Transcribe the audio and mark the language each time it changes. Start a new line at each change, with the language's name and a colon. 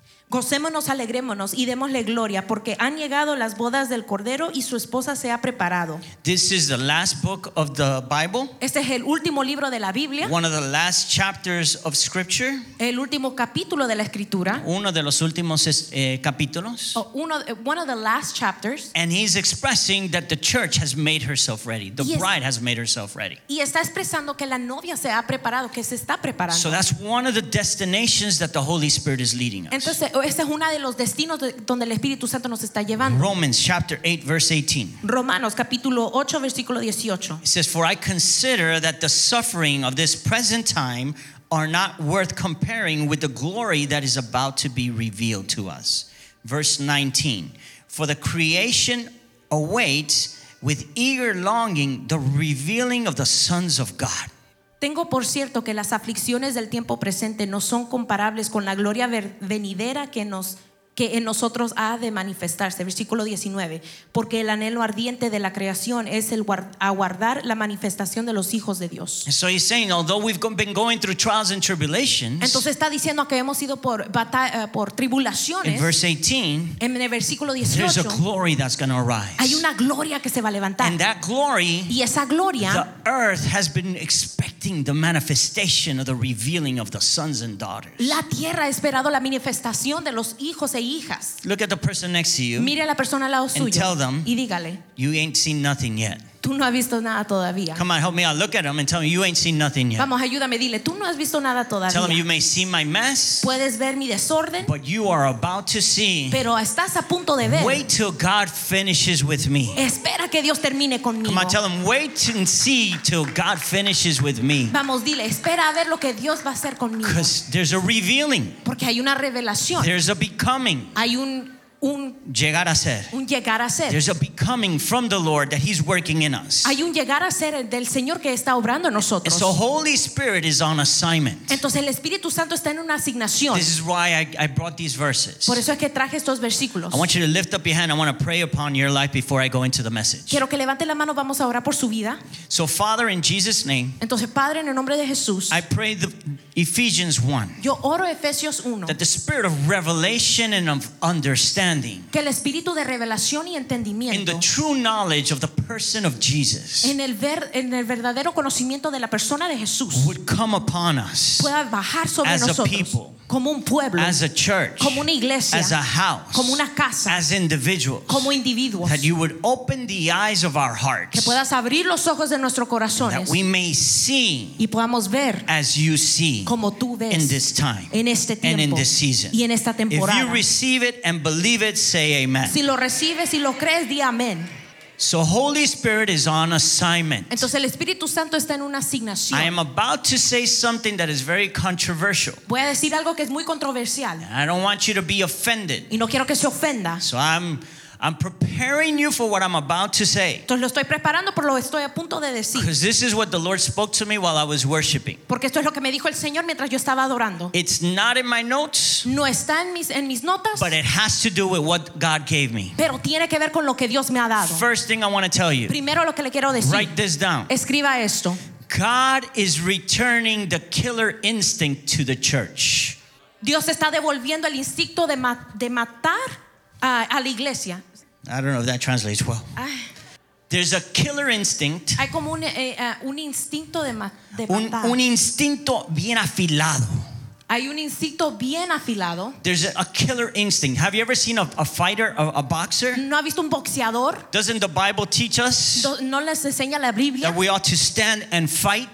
Spanish: Gocémonos, alegrémonos y démosle gloria porque han llegado las bodas del Cordero y su esposa se ha preparado.
English: This is the last book of the Bible.
Spanish: Este es el último libro de la Biblia.
English: One of the last chapters of Scripture.
Spanish: El último capítulo de la Escritura. Uno de los últimos capítulos.
English: Oh, one of the last chapters. And he's expressing that the church has made herself ready. The bride has made herself ready.
Spanish: Y está expresando que la novia se ha preparado, que se está preparando.
English: So that's one of the destinations that the Holy Spirit is leading us.
Spanish: Entonces, este es uno de los destinos donde el Espíritu Santo nos está llevando.
English: Romans chapter 8 verse 18.
Spanish: Romanos capítulo 8 versículo 18.
English: It says, for I consider that the suffering of this present time are not worth comparing with the glory that is about to be revealed to us. Verse 19. For the creation awaits with eager longing the revealing of the sons of God.
Spanish: Tengo por cierto que las aflicciones del tiempo presente no son comparables con la gloria venidera que nos que en nosotros ha de manifestarse. Versículo 19. Porque el anhelo ardiente de la creación es el aguardar la manifestación de los hijos de Dios.
English: So he's saying, although we've been going through trials and tribulations.
Spanish: Entonces está diciendo que hemos ido por tribulaciones.
English: In verse 18.
Spanish: En el versículo 18.
English: There's a glory that's going to arise.
Spanish: Hay una gloria que se va a levantar.
English: And that glory.
Spanish: Y esa gloria.
English: The earth has been expecting the manifestation of the revealing of the sons and daughters.
Spanish: La tierra ha esperado la manifestación de los hijos.
English: Look at the person next to you.
Spanish: Mire a la persona al lado suyo.
English: And tell them.
Spanish: Y dígale.
English: You ain't seen nothing yet.
Spanish: Tú no has visto nada todavía.
English: Come on, help me out. Look at them and tell them you ain't seen nothing yet.
Spanish: Vamos, ayúdame, dile. Tú no has visto nada todavía.
English: Tell them you may see my mess.
Spanish: Puedes ver mi desorden.
English: But you are about to see.
Spanish: Pero estás a punto de ver.
English: Wait till God finishes with me.
Spanish: Espera que Dios termine conmigo.
English: Come on, tell them wait and see till God finishes with me.
Spanish: Vamos, dile. Espera a ver lo que Dios va a hacer conmigo.
English: Because there's a revealing.
Spanish: Porque hay una revelación.
English: There's a becoming.
Spanish: Hay un llegar a ser. Un llegar a ser.
English: There's a becoming from the Lord that He's working in us.
Spanish: Hay un llegar a ser del Señor que está obrando en nosotros.
English: And so Holy Spirit is on assignment.
Spanish: Entonces el Espíritu Santo está en una asignación.
English: This is why I brought these verses.
Spanish: Por eso es que traje estos versículos.
English: I want you to lift up your hand. I want to pray upon your life before I go into the message.
Spanish: Quiero que levante la mano. Vamos a orar por su vida.
English: So Father, in Jesus' name.
Spanish: Entonces Padre, en el nombre de Jesús.
English: I pray the Ephesians 1.
Spanish: Yo oro Efesios 1.
English: That the Spirit of revelation and of understanding.
Spanish: Que el espíritu de revelación y entendimiento.
English: In the true knowledge of the person of Jesus.
Spanish: En el verdadero conocimiento de la persona de Jesús.
English: Would come upon us.
Spanish: Pueda bajar sobre
English: as
Spanish: nosotros.
English: As a people.
Spanish: Como un pueblo.
English: As a church.
Spanish: Como una iglesia.
English: As a house.
Spanish: Como una casa.
English: As individuals.
Spanish: Como individuos.
English: That you would open the eyes of our hearts.
Spanish: Que puedas abrir los ojos de nuestros corazones.
English: That we may see.
Spanish: Y podamos ver.
English: As you see.
Spanish: Como tú ves.
English: In this time.
Spanish: En este tiempo.
English: And in this season.
Spanish: Y en esta temporada.
English: If you receive it and believe it, say amen.
Spanish: Si lo recibes y lo crees, di amén.
English: So Holy Spirit is on assignment.
Spanish: Entonces el Espíritu Santo está en una asignación.
English: I am about to say something that is very controversial.
Spanish: Voy a decir algo que es muy controversial.
English: I don't want you to be offended.
Spanish: Y no quiero que se ofenda.
English: So I'm preparing you for what I'm about to say.
Spanish: Entonces lo estoy preparando por lo que estoy a punto de decir.
English: Because this is what the Lord spoke to me while I was worshiping.
Spanish: Porque esto es lo que me dijo el Señor mientras yo estaba adorando.
English: It's not in my notes.
Spanish: No está en mis notas.
English: But it has to do with what God gave me.
Spanish: Pero tiene que ver con lo que Dios me ha dado.
English: First thing I want to tell you.
Spanish: Primero lo que le quiero decir.
English: Write this down.
Spanish: Escriba esto.
English: God is returning the killer instinct to the church.
Spanish: Dios está devolviendo el instinto de matar a la iglesia.
English: I don't know if that translates well. There's a killer instinct.
Spanish: Hay como un instinto de matar. Un instinto bien afilado. Hay un instinto bien afilado.
English: There's a killer instinct. Have you ever seen a fighter, a boxer?
Spanish: ¿No ha visto un boxeador?
English: Doesn't the Bible teach us
Spanish: ¿No les enseña la Biblia?
English: That we ought to stand and fight?